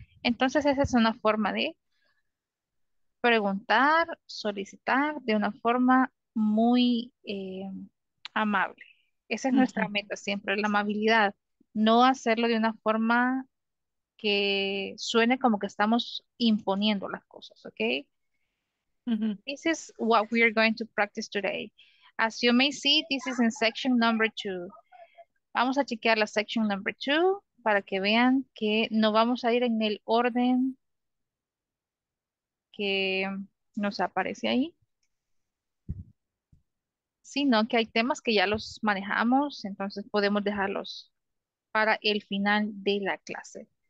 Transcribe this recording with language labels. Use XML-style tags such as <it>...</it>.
<es>Entonces, esa es una forma de preguntar, solicitar de una forma muy amable. Esa es nuestra meta siempre, la amabilidad. No hacerlo de una forma que suene como que estamos imponiendo las cosas, ¿ok?</es> <en>This is what we are going to practice today. As you may see, this is in section number two.</en> <es>Vamos a chequear la section number two para que vean que no vamos a ir en el orden que nos aparece ahí, sino que hay temas que ya los manejamos, entonces podemos dejarlos para el final de la clase.</es>